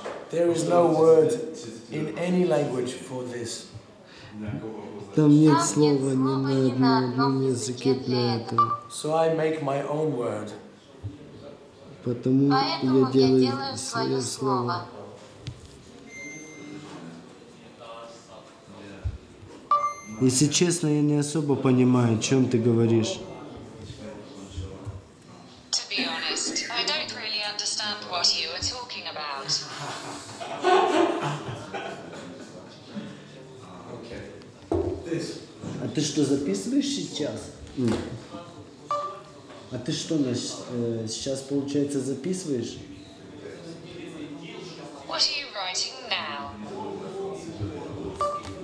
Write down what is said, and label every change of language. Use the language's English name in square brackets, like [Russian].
[English] There is no word in any language for this. [Russian] Там нет слова ни на одном языке для этого. [English] So I make my own word. [Russian] Потому я делаю свое слово. Если честно, я не особо понимаю, о чем ты говоришь. [English] To be honest, I don't really understand what you are talking about. [Russian] А ты что, записываешь сейчас? А ты что, сейчас, получается, записываешь? [English] What are you writing now?